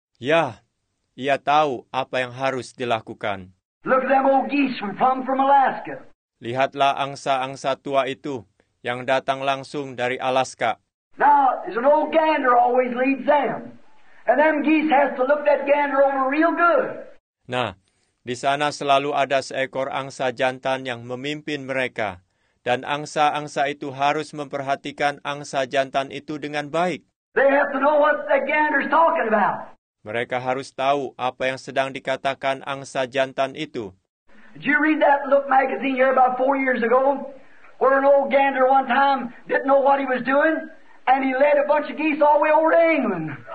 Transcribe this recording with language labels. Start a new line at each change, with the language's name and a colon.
Indonesian: Ya, ia tahu apa yang harus dilakukan.
English: Look at them old geese from Alaska.
Indonesian: Lihatlah angsa-angsa tua itu yang datang langsung dari Alaska.
English: Now, there's an old gander always leads them. And them geese has to look that gander over real good.
Indonesian: Nah, di sana selalu ada seekor angsa jantan yang memimpin mereka. Dan angsa-angsa itu harus memperhatikan angsa jantan itu dengan baik.
English: They have to know what the gander's talking about.
Indonesian: Mereka harus tahu apa yang sedang dikatakan angsa jantan itu.
English: Did you read that Look magazine here about 4 years ago? Where an old gander one time didn't know what he was doing? And he led a bunch of geese all the way over to England.